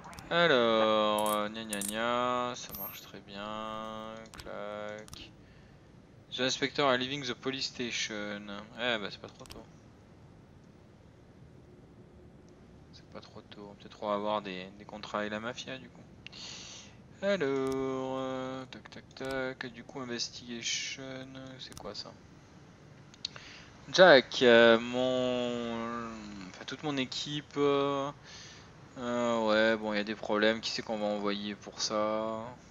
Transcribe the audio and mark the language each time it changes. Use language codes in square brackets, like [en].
[fr] Alors, gna gna gna, ça marche très bien. Clac. [en] The inspector are leaving the police station. [fr] Eh, bah, c'est pas trop tôt. Pas trop tôt, on va peut-être avoir des contrats avec la mafia du coup. Alors, tac tac tac, du coup, investigation, c'est quoi ça? Jack, enfin, toute mon équipe, ouais, bon, il y a des problèmes, qui c'est qu'on va envoyer pour ça?